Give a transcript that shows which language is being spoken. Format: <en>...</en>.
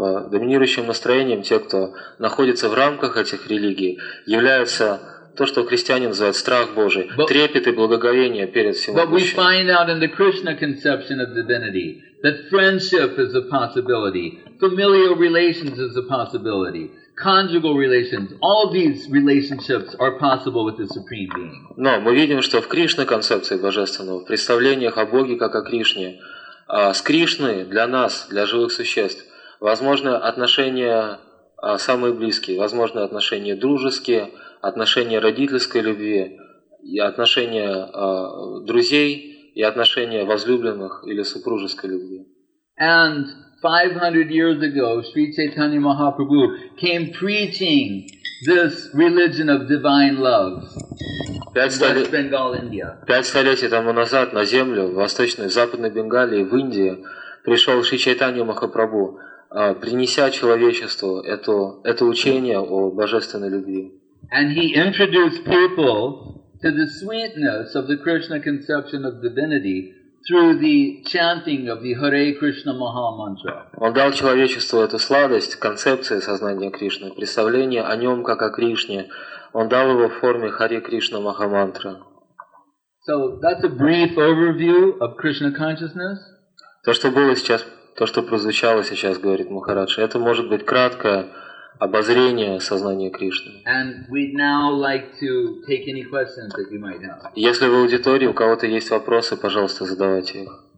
<ru>Доминирующим настроением тех, кто находится в рамках этих религий, является то, что христиане называют страх Божий,</ru> <en>but,</en> <ru>трепет и благоговение перед всем Богом.</ru> <en>But we find out in the Krishna conception of divinity that friendship is a possibility, familial relations is a possibility, conjugal relations, all these relationships are possible with the Supreme Being.</en> <ru>Но мы видим, что в Кришна концепции Божественного, в представлениях о Боге как о Кришне, с Кришной для нас, для живых существ, возможны отношения самые близкие, возможны отношения дружеские, отношения родительской любви, и отношения друзей, и отношения возлюбленных или супружеской любви.</ru> <en>And 500 years ago, Sri Chaitanya Mahaprabhu came preaching this religion of divine love in West Bengal, India.</en> <ru>5 столетий тому назад на землю в восточной, в западной Бенгалии, в Индии, пришел Шри Чайтанья Махапрабху, принеся человечеству это учение о божественной любви.</ru> <en>And he introduced people to the sweetness of the Krishna conception of divinity through the chanting of the Hare Krishna Maha Mantra.</en> <ru>Он дал человечеству эту сладость, концепции сознания Кришны, представление о нем как о Кришне. Он дал его в форме Hare Krishna Maha Mantra.</ru> <en>So that's a brief overview of Krishna consciousness.</en> <ru>То, что было сейчас, то, что прозвучало сейчас, говорит Махарадж, это может быть краткое обозрение сознания Кришны.</ru> <en>And we'd now like to take any questions that you might have.</en> <ru>Если в аудитории у кого-то есть вопросы, пожалуйста, задавайте их.</ru>